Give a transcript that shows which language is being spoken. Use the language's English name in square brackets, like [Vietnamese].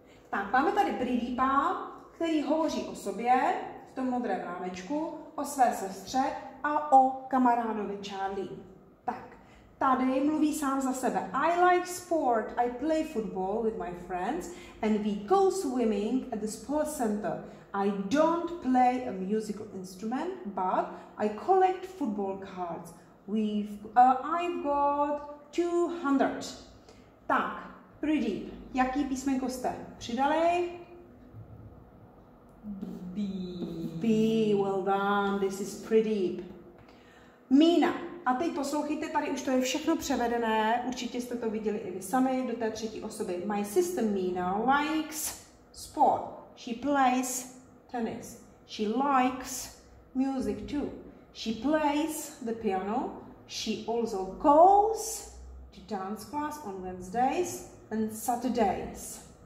[Czech] Tak, máme tady Pridipa, který hovoří o sobě, v tom modrém rámečku, o své sestře a o kamarádovi Charlie. Tak, tady mluví sám za sebe. [English] I like sport, I play football with my friends and we go swimming at the sports center. I don't play a musical instrument, but I collect football cards. I've got 200. [Czech] Tak, Pridip. Jaký písmenko jste přidali? B. [English] B, well done, this is pretty deep. Mina. [Czech] A teď poslouchejte, tady už to je všechno převedené, určitě jste to viděli i vy sami, do té třetí osoby. [English] My sister Mina likes sport. She plays tennis. She likes music too. She plays the piano. She also goes to dance class on Wednesdays. And Saturdays.